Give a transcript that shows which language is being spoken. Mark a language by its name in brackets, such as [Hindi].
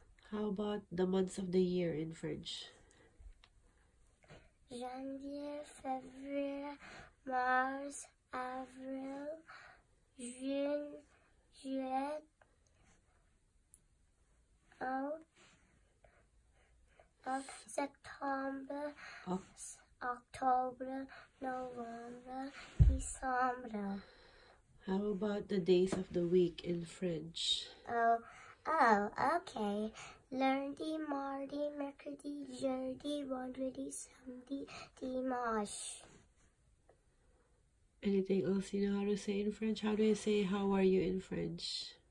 [English] How about the months of the year in French? [French] Janvier, février, mars, avril, juin, juillet, septembre, [English] October, November, December. How about the days of the week in French? [French] Okay. Lundi, mardi, mercredi, jeudi, vendredi, samedi, dimanche. [English] Anything else you know how to say in French? How do you say how are you in French?